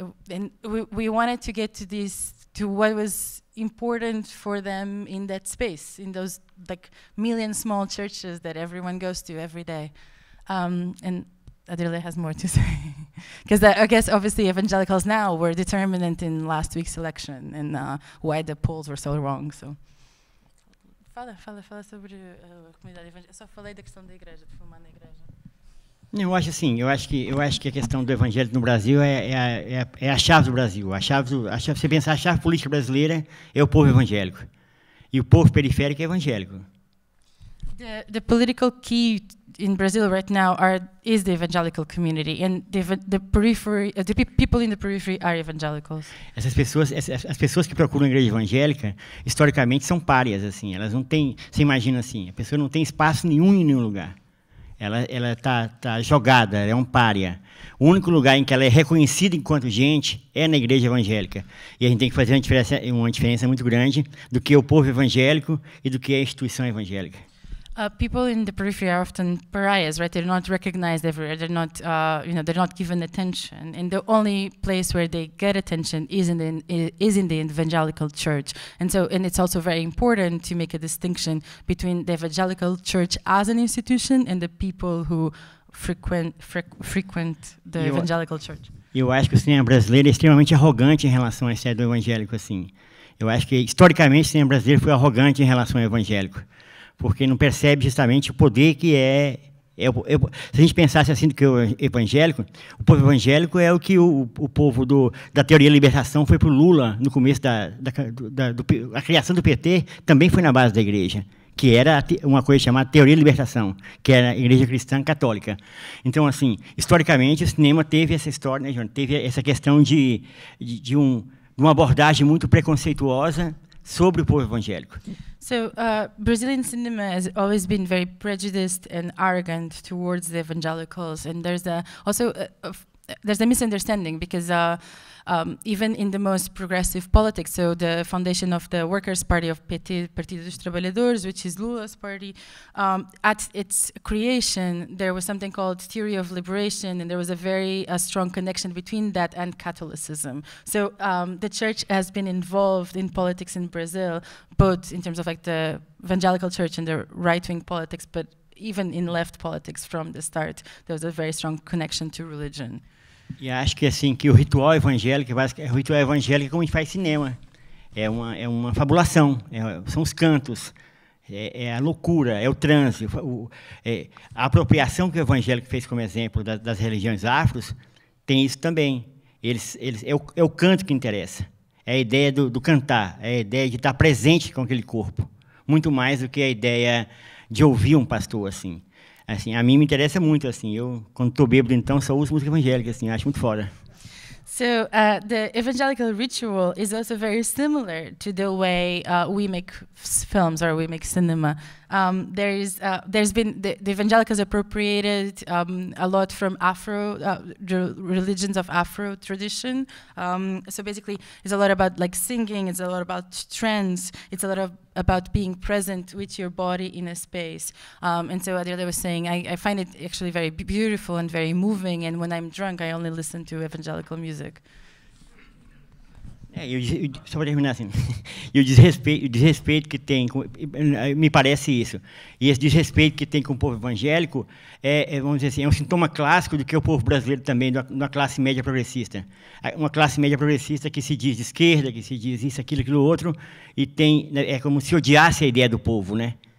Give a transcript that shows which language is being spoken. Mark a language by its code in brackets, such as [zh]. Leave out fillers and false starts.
[en] And we wanted to get to this, to what was important for them in that space, in those like million small churches that everyone goes to every day. And Adirley has more to say. Because I guess obviously evangelicals now were determinant in last week's election and why the polls were so wrong. So. [pt] Fala sobre a comunidade evangélica. Eu só falei da questão da igreja, de fumar na igreja. Eu acho assim, eu acho que a questão do evangelho no Brasil é a chave do Brasil. Você pensa, a chave política brasileira é o povo evangélico. E o povo periférico é evangélico. [en] The political key in Brazil right now is the evangelical community, and the periphery, the people in the periphery are evangelicals. [pt] Essas pessoas, as pessoas que procuram a igreja evangélica, historicamente são párias, assim. Elas não têm, você imagina assim, a pessoa não tem espaço nenhum em nenhum lugar. Ela tá jogada, é um pária. O único lugar em que ela é reconhecida enquanto gente é na igreja evangélica. E a gente tem que fazer uma diferença muito grande do que é o povo evangélico e do que é a instituição evangélica. [en] People in the periphery are often pariahs, right? They're not recognized everywhere. They're not, they're not given attention. And the only place where they get attention is in the evangelical church. And it's also very important to make a distinction between the evangelical church as an institution and the people who frequent the evangelical church. [pt] Eu acho que o cinema brasileiro é extremamente arrogante em relação à história do evangélico, assim. Eu acho que historicamente o cinema brasileiro foi arrogante em relação ao evangélico. Porque não percebe justamente o poder que é Se a gente pensasse assim, que o evangélico, o povo evangélico é o que o povo da teoria da libertação foi para o Lula no começo da criação do PT, também foi na base da igreja, que era uma coisa chamada teoria da libertação, que era a igreja cristã católica. Então, assim, historicamente, o cinema teve essa história, né, João? Teve essa questão de uma abordagem muito preconceituosa sobre o povo evangélico. [en] So Brazilian cinema has always been very prejudiced and arrogant towards the evangelicals, and there's a misunderstanding because even in the most progressive politics, so the foundation of the Workers' Party of PT, Partido dos Trabalhadores, which is Lula's party, at its creation, there was something called theory of liberation, and there was a very strong connection between that and Catholicism. So the church has been involved in politics in Brazil, both in terms of like the evangelical church and the right-wing politics, but even in left politics from the start, there was a very strong connection to religion. [pt] E acho que assim que o ritual evangélico, basicamente, o ritual evangélico é como a gente faz cinema, é uma fabulação, são os cantos, é a loucura, é o transe, a apropriação que o evangélico fez como exemplo das religiões afros tem isso também. É o canto que interessa, é a ideia do cantar, é a ideia de estar presente com aquele corpo, muito mais do que a ideia de ouvir um pastor assim. Assim, a mim me interessa muito, assim, eu, quando estou bêbado, então, só uso música evangélica, assim, acho muito foda. [en] So, the evangelical ritual is also very similar to the way we make films or we make cinema. The evangelicals appropriated a lot from religions of Afro tradition. So basically, it's a lot about like singing, it's a lot about trance, it's a lot about being present with your body in a space. And so Adirley was saying, I find it actually very beautiful and very moving, and when I'm drunk, I only listen to evangelical music. [pt] Só para terminar assim, o desrespeito que tem, me parece isso, e esse desrespeito que tem com o povo evangélico, vamos dizer assim, é um sintoma clássico do que é o povo brasileiro também, da classe média progressista. Uma classe média progressista que se diz de esquerda, que se diz isso, aquilo, aquilo, outro, e tem, é como se odiasse a ideia do povo, né?